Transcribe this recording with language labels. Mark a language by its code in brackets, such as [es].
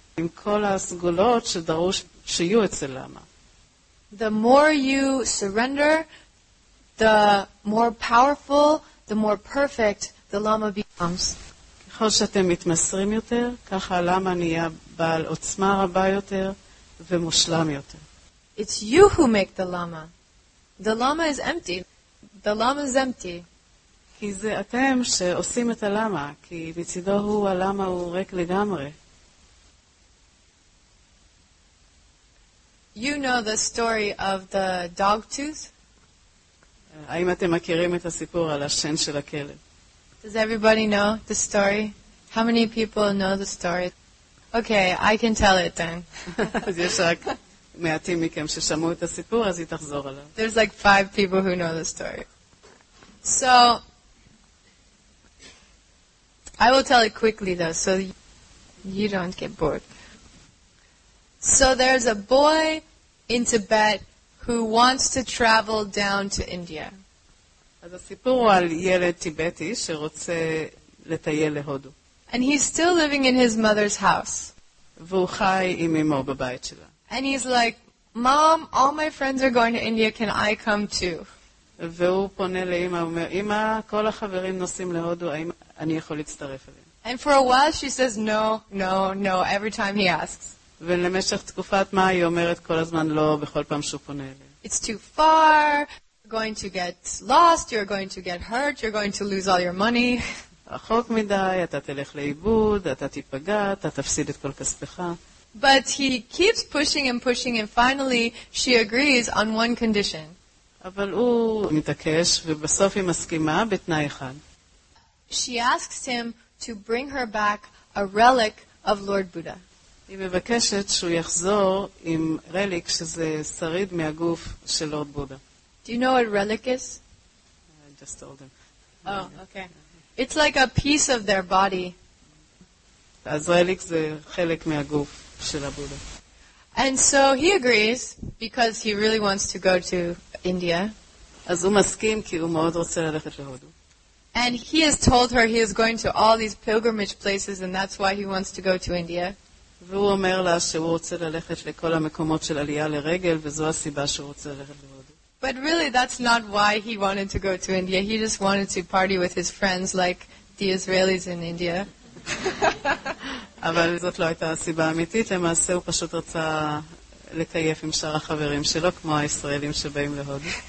[he] עם כל הסגולות שדרוש שיהיו אצל למה. [en] The more you surrender, the more powerful, the more perfect the Lama becomes. [he] ככל שאתם מתמסרים יותר, ככה הלמה נהיה בעל עוצמה רבה יותר ומושלם יותר. [en] It's you who make the Lama. The Lama is empty. The Lama is empty. [he] כי זה אתם שעושים את הלמה, כי מצידו הוא הלמה הוא ריק לגמרי. [en] You know the story of the dog tooth? [he] האם אתם מכירים את הסיפור על השן של הכלב? [en] Does everybody know the story? How many people know the story? Okay, I can tell it then. [he] אז יש רק מעטים מכם ששמעו את הסיפור, אז היא תחזור עליו. [en] There's like 5 people who know the story. So, I will tell it quickly though, so you don't get bored. So there's a boy in Tibet who wants to travel down to India. [he] אז הסיפור הוא על ילד טיבטי שרוצה לטייל להודו. [en] And he's still living in his mother's house. [he] והוא חי עם אמו בבית שלה. [en] And he's like, "Mom, all my friends are going to India, can I come too?" [he] והוא פונה לאמא ואומר, "אמא, כל החברים נוסעים להודו, האם אני יכול להצטרף אליהם?" [en] And for a while she says no, no, no every time he asks. [he] ולמשך תקופת מה היא אומרת כל הזמן לא בכל פעם שהוא פונה אליה. [en] It's too far. You're going to get lost. You're going to get hurt. You're going to lose all your money. [he] רחוק מדי, אתה תלך לאיבוד, אתה תיפגע, אתה תפסיד את כל כספך. [en] But he keeps pushing and pushing and finally she agrees on one condition. [he] אבל הוא מתעקש ובסוף היא מסכימה בתנאי אחד. [en] She asks him to bring her back a relic of Lord Buddha. [he] היא מבקשת שהוא יחזור עם רליק שזה שריד מהגוף של לורד בודה. [en] Do you know what relic is? I just told him. Okay. It's like a piece of their body. [he] אז רליק זה חלק מהגוף של הבודה. [en] And so he agrees because he really wants to go to India. [he] אז הוא מסכים כי הוא מאוד רוצה ללכת להודו. [en] And he has told her he is going to all these pilgrimage places and that's why he wants to go to India. [he] והוא אומר לה שהוא רוצה ללכת לכל המקומות של עלייה לרגל וזו הסיבה שהוא רוצה ללכת להודו. [en] But really that's not why he wanted to go to India. He just wanted to party with his friends like the Israelis in India. [he] אבל זאת לא הייתה הסיבה האמיתית. למעשה הוא פשוט רצה לקייף עם שאר החברים שלו כמו הישראלים שבאים להודו.